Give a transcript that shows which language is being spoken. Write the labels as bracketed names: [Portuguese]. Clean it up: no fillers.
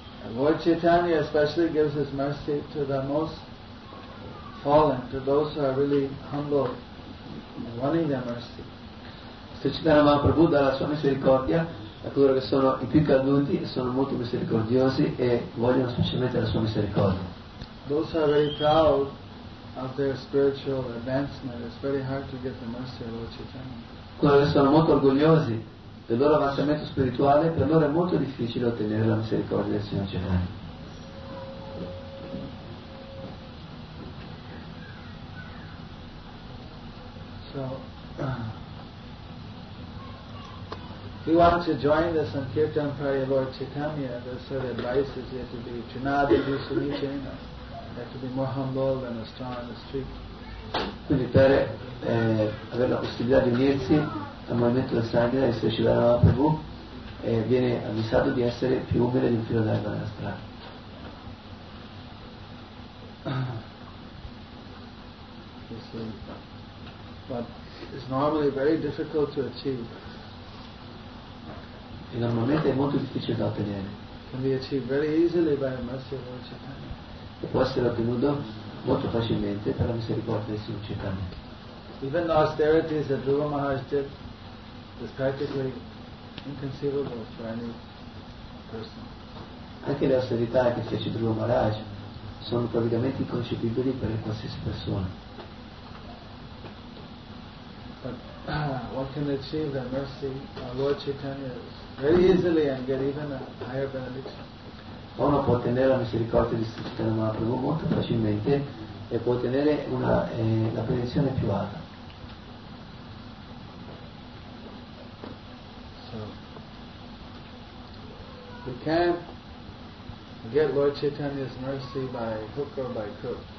[English] Lord Chaitanya especially gives his mercy to the most fallen, to those who are really humble and wanting their mercy. [Italian] Sri Chaitanya Mahaprabhu dà la sua misericordia a coloro che sono i più caduti e sono molto misericordiosi e vogliono specialmente la sua misericordia. [English] Those who are very proud of their spiritual advancement, it's very hard to get the mercy of Lord Chaitanya. [Italian] Coloro che sono molto orgogliosi del loro avanzamento spirituale, per loro è molto difficile ottenere la misericordia del Signore Chaitanya. [English] So, he wants to join the Sankirtan party of Lord Chaitanya, the sort of advice is he has to be Trinada Dusanichena. He has to be more humble than a star on the street. [Italian] Quindi per avere la possibilità di unirsi al movimento del Sangha e essere Shivara Mahaprabhu, viene avvisato di essere più umile di un filo d'erba nella strada. [English] But it's normally very difficult to achieve. [Italian] E normalmente è molto difficile da ottenere. [English] Can be achieved very easily by the mercy of Lord Chaitanya. [Italian] E può essere ottenuto molto facilmente per la misericordia del Signore Chaitanya. [English] Even the austerities that Dhruva Maharaj did is practically inconceivable for any person. [Italian] Anche le austerità che fece Dhruva Maharaj sono praticamente inconcepibili per qualsiasi persona. [English] But one can achieve the mercy of Lord Chaitanya very easily and get even a higher benediction. [Italian] Uno può ottenere la misericordia di Chaitanya Mahaprabhu molto facilmente e può ottenere una, la benedizione più alta. [English] So, we can't get Lord Chaitanya's mercy by hook or by crook.